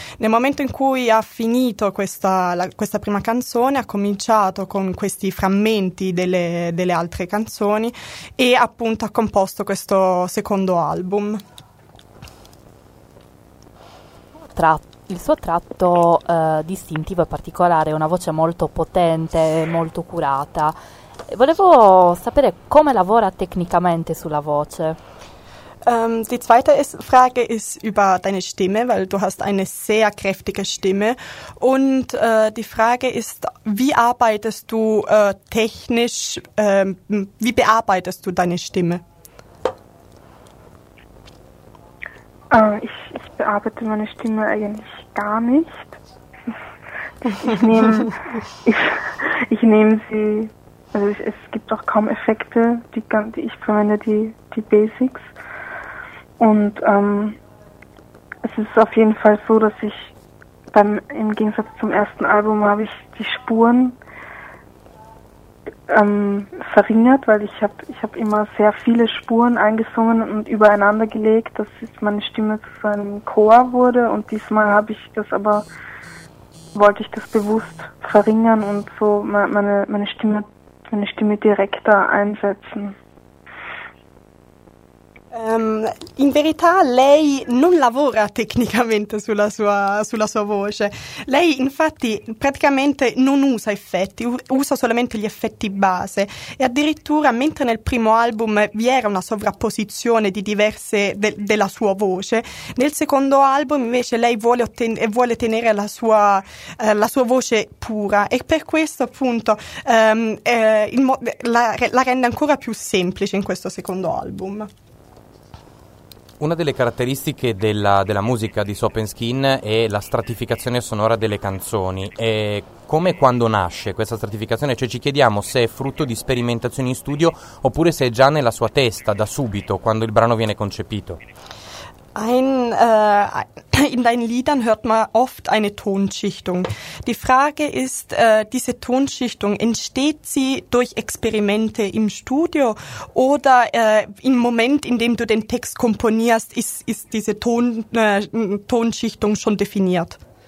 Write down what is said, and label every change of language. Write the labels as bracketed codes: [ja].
[it] Nel momento in cui ha finito questa prima canzone, ha cominciato con questi frammenti delle altre canzoni e appunto ha composto questo secondo album. Il suo tratto distintivo e particolare è una voce molto potente, molto curata. Volevo sapere come lavora tecnicamente sulla voce. [de] Die zweite Frage ist über deine Stimme, weil du hast eine sehr kräftige Stimme. Und die Frage ist, wie arbeitest du technisch, wie bearbeitest du deine Stimme? Ich bearbeite meine Stimme eigentlich gar nicht. Ich nehme sie, also es gibt auch kaum Effekte, ich verwende die Basics. Und es ist auf jeden Fall so, dass ich im Gegensatz zum ersten Album habe ich die Spuren verringert, weil ich habe immer sehr viele Spuren eingesungen und übereinander gelegt, dass meine Stimme zu so einem Chor wurde, und diesmal wollte ich das bewusst verringern und so meine Stimme direkter einsetzen. [it] In verità lei non lavora tecnicamente sulla sua voce. Lei infatti praticamente non usa effetti, usa solamente gli effetti base, e addirittura, mentre nel primo album vi era una sovrapposizione di diverse della sua voce, nel secondo album invece lei vuole tenere la sua voce pura, e per questo appunto la rende ancora più semplice in questo secondo album. Una delle caratteristiche della musica di Soap & Skin è la stratificazione sonora delle canzoni. E come, quando nasce questa stratificazione? Cioè, ci chiediamo se è frutto di sperimentazioni in studio oppure se è già nella sua testa da subito, quando il brano viene concepito. [de] In deinen Liedern hört man oft eine Tonschichtung. Die Frage ist, diese Tonschichtung, entsteht sie durch Experimente im Studio oder im Moment, in dem du den Text komponierst, ist diese Tonschichtung schon definiert?